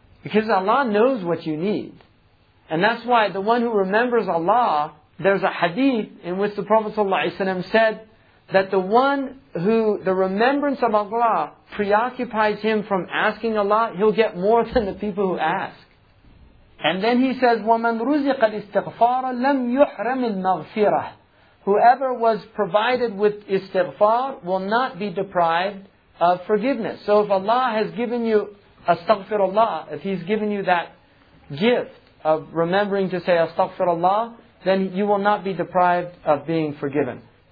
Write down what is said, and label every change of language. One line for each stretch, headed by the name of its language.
English: Because Allah knows what you need. And that's why the one who remembers Allah, there's a hadith in which the Prophet ﷺ said that the one who the remembrance of Allah preoccupies him from asking Allah, he'll get more than the people who ask. And then he says,
Arabic: وَمَنْ رُزِقَ الْإِسْتِغْفَارَ لَمْ يُحْرَمِ الْمَغْفِرَةِ.
English: Whoever was provided with istighfar will not be deprived of forgiveness. So if Allah has given you astaghfirullah, if He's given you that gift of remembering to say astaghfirullah, then you will not be deprived of being forgiven.